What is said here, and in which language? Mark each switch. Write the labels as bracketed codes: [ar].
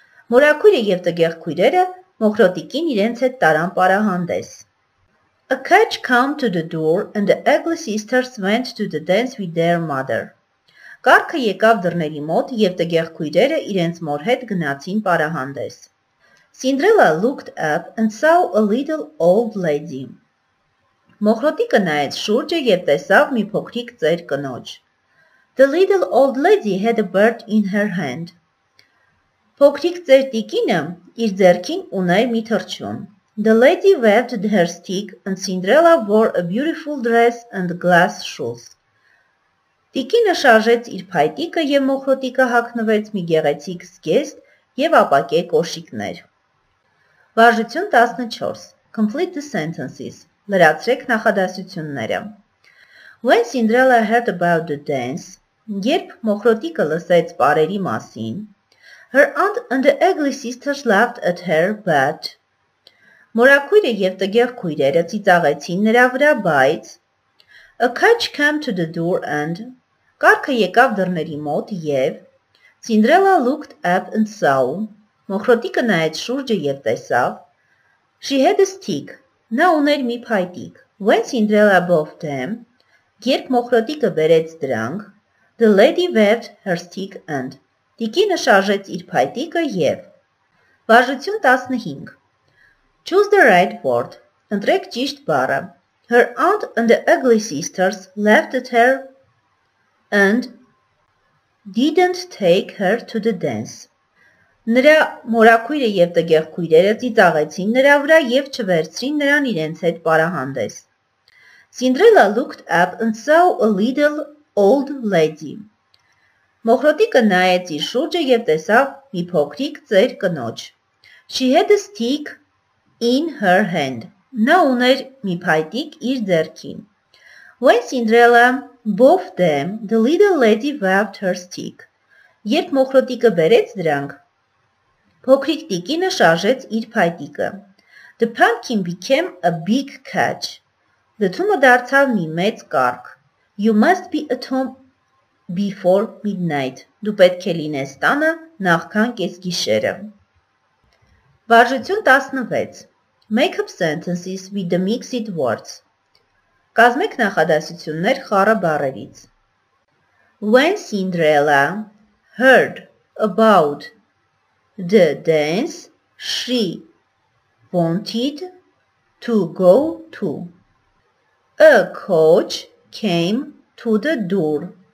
[hy] Մորաքույրը և տգեղ քույրերը Մոխրոտիկին իրենց հետ տարան պարահանդես. [en] A coach came to the door and the ugly sisters went to the dance with their mother. [hy] Կարգը եկավ դռների մոտ և տգեղ քույրերը իրենց մոր հետ գնացին պարահանդես. [en] Cinderella looked up and saw a little old lady. [hy] Մոխրոտիկը նայեց շուրջը և տեսավ մի փոքրիկ ծեր կնոջ. [en] The little old lady had a bird in her hand. [hy] Փոքրիկ ծեր տիկինը իր ձեռքին ուներ մի թռչուն. [en] The lady waved her stick and Cinderella wore a beautiful dress and glass shoes. [hy] Տիկինը շարժեց իր փայտիկը և Մոխրոտիկը հագնվեց մի գեղեցիկ զգեստ և ապակե կոշիկներ. Վարժություն 14. [en] Complete the sentences. [hy] Լրացրեք նախադասությունները. [en] When Cinderella heard about the dance, [hy] երբ Մոխրոտիկը լսեց պարերի մասին, [en] her aunt and the ugly sisters laughed at her, but... [hy] Մորաքույրը և տգեղ քույրերը ծիծաղեցին նրա վրա, բայց... [en] A coach came to the door and... [hy] Կարգը եկավ դռների մոտ և... [en] Cinderella looked up and saw... [hy] Մոխրոտիկը նայեց շուրջը և տեսավ... [en] She had a stick. [hy] Նա ուներ մի փայտիկ. [en] When Cinderella bought them, [hy] երբ Մոխրոտիկը բերեց դրանք, [en] the lady waved her stick and [hy] Տիկինը շարժեց իր փայտիկը եւ Վարժություն 15. [en] Choose the right word. [hy] Ընտրեք ճիշտ բառը. [en] Her aunt and the ugly sisters laughed at her and didn't take her to the dance. [hy] Նրա մորաքույրը եւ տղերքույրերը ծիծաղեցին նրա վրա եւ չվերցրին նրան իրենց հետ պարահանդես. [en] Cinderella looked up and saw a little old lady. [hy] Մոխրոտիկը նայեց իր շուրջը եւ տեսավ մի փոքրիկ ծեր կնոջ. [en] She had a stick in her hand. [hy] Նա ուներ մի փայտիկ իր ձեռքին. [en] When Cinderella both them, the little lady waved her stick. [hy] Երբ մոխրոտիկը վերեց դրանք, փոքրիկ տիկինը շարժեց իր փայտիկը. [en] The pumpkin became a big catch. [hy] Դե թումը դարձավ մի մեծ կարգ. [en] You must be at home before midnight. [hy] Դու պետք է լինես տանը նախքան կեսգիշերը. Վարժություն 16. [en] Make up sentences with the mixed words. [hy] Կազմեք նախադասություններ խառը բառերից. [en] When Cinderella heard about the dance, she wanted to go too. A coach came to the door.